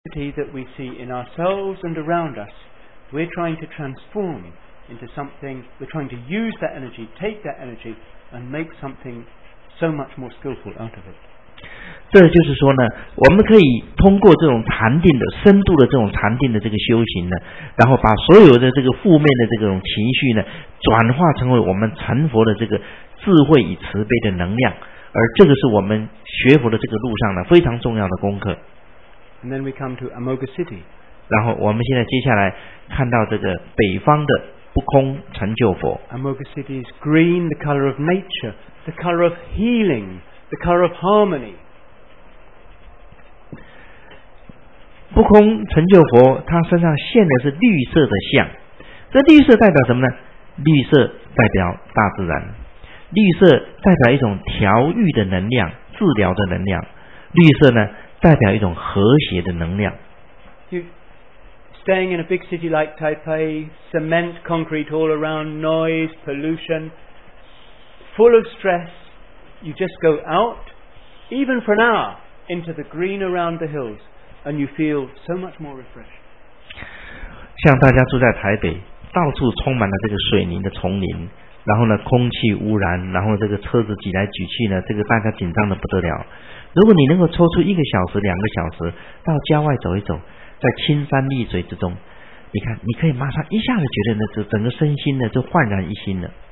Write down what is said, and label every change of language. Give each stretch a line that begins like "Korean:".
English: identity that we see in ourselves and around us, we're trying to transform into something, we're trying to use that energy, take that energy, and make something so much more skillful out of it.
Chinese: 这就是说呢，我们可以通过这种禅定的深度的这种禅定的这个修行呢，然后把所有的这个负面的这种情绪呢，转化成为我们成佛的这个智慧与慈悲的能量，而这个是我们学佛的这个路上呢非常重要的功课。
English: And then we come to Amoghya City.
Chinese: 然后我们现在接下来看到这个北方的不空成就佛。
English: Amoghya City is green, the color of nature, the color of healing, the color of harmony.
Chinese: 不空成就佛，他身上现的是绿色的像，这绿色代表什么呢？绿色代表大自然，绿色代表一种调愈的能量，治疗的能量，绿色呢代表一种和谐的能量。
English: Staying in a big city like Taipei, cement, concrete all around, noise, pollution, full of stress, you just go out, even for an hour, into the green around the hillsAnd you feel so much more refreshed.
Chinese: 像大家住在台北，到处充满了这个水泥的丛林，然后呢，空气污染，然后这个车子挤来挤去呢，这个大家紧张的不得了。如果你能够抽出一个小时、两个小时到郊外走一走，在青山绿水之中，你看，你可以马上一下子觉得呢，就整个身心呢就焕然一新了。